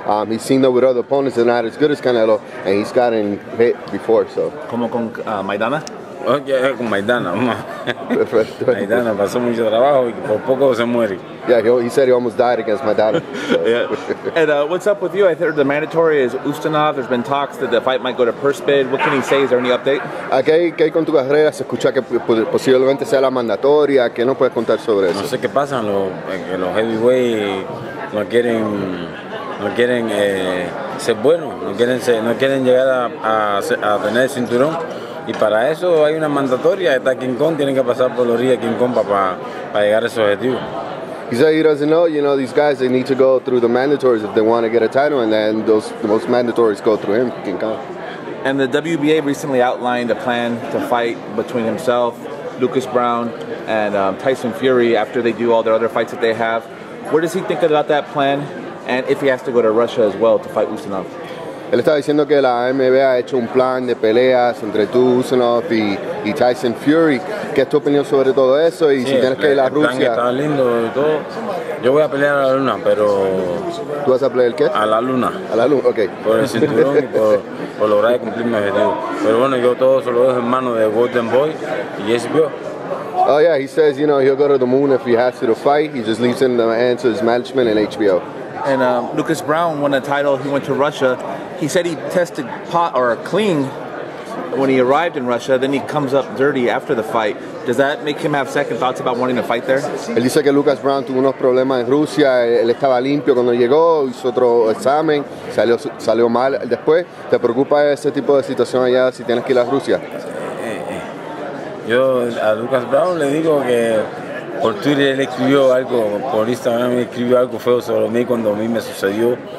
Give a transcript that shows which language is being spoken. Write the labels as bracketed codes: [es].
[en] He's seen that with other opponents, they're not as good as Canelo, and he's gotten hit before. So. [es] ¿Cómo con Maidana? Okay, con Maidana. Perfecto. Maidana pasó mucho trabajo y por poco se muere. [en] Yeah, he said he almost died against Maidana. So. Yeah. And what's up with you? I heard the mandatory is Ustinov. There's been talks that the fight might go to purse bid. What can he say? Is there any update? [es] Okay, ¿qué hay con tu carrera? Se escucha que posiblemente sea la mandatoria. ¿Qué nos puedes contar sobre eso? No sé qué pasa. Los heavyweight no quieren ser buenos. No quieren llegar a tener el cinturón. Y para eso hay una mandatoria, está King Kong, tienen que pasar por la orilla de King Kong para llegar a ese objetivo. [en] He said he doesn't know, you know, these guys, they need to go through the mandatories if they want to get a title, and then those most mandatories go through him, King Kong. And the WBA recently outlined a plan to fight between himself, Lucas Brown, and Tyson Fury after they do all their other fights that they have. What does he think about that plan, and if he has to go to Russia as well to fight Usyk? [es] Él estaba diciendo que la AMB ha hecho un plan de peleas entre tú, Usyk y Tyson Fury. ¿Qué es tu opinión sobre todo eso? Y sí, si tienes que ir a Rusia. El plan está lindo y todo. Yo voy a pelear a la luna, pero... ¿Tú vas a pelear el qué? A la luna. A la luna, ok. Por el cinturón y por lograr cumplir mi objetivo. Pero bueno, yo todo se lo dejo en manos de Golden Boy y Jesse Bio. [en] Oh yeah, he says, you know, he'll go to the moon if he has to fight. He just leaves it in the hands of his management and HBO. And Lucas Brown won a title. He went to Russia. He said he tested clean when he arrived in Russia. Then he comes up dirty after the fight. Does that make him have second thoughts about wanting to fight there? [es] Él dice que Lucas Brown tuvo unos problemas en Rusia. Él estaba limpio cuando llegó, hizo otro examen, salió mal. Después, ¿te preocupa ese tipo de situación allá si tienes que ir a Rusia? Yo a Lucas Brown le digo que por Twitter él escribió algo, por Instagram él escribió algo feo sobre mí cuando a mí me sucedió.